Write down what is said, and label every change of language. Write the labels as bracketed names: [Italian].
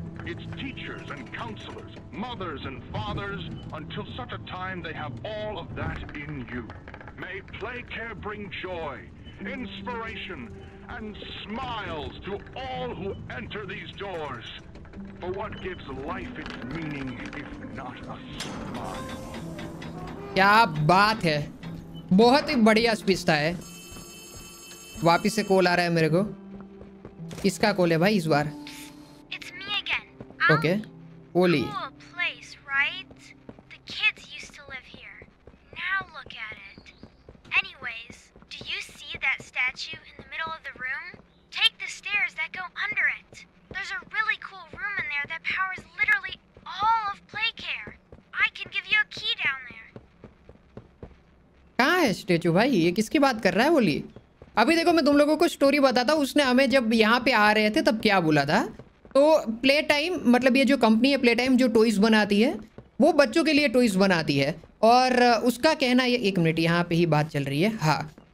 [English] It's teachers and counselors, mothers and fathers, until such a time they have all of that in you. May Playcare bring joy, inspiration, and smiles to all who enter these doors. But what gives life its meaning if not a smile? [Hindi] क्या बात है, बहुत ही बढ़िया speech था है। वापिस से call आ रहा है मेरे को, इसका कॉल है भाई इस बार। [English] It's me again. Okay. Oli. Cool place, right? The kids used to live here. Now look at it. Anyways, do you see that statue in the middle of the room? Take the stairs that go under it. There's a really cool room in there that powers literally all of Playcare. I can give you a key down there. [Hindi] कहाँ है statue भाई? ये किसकी बात कर रहा है बोली? अभी देखो मैं तुम लोगों को स्टोरी बताता हूँ। उसने हमें जब यहाँ पे आ रहे थे तब क्या बोला था, तो प्ले टाइम मतलब ये जो कंपनी है प्ले टाइम, जो टॉयज बनाती है वो बच्चों के लिए टॉयज बनाती है, और उसका कहना ये, एक मिनट यहाँ पे ही बात चल रही है, हाँ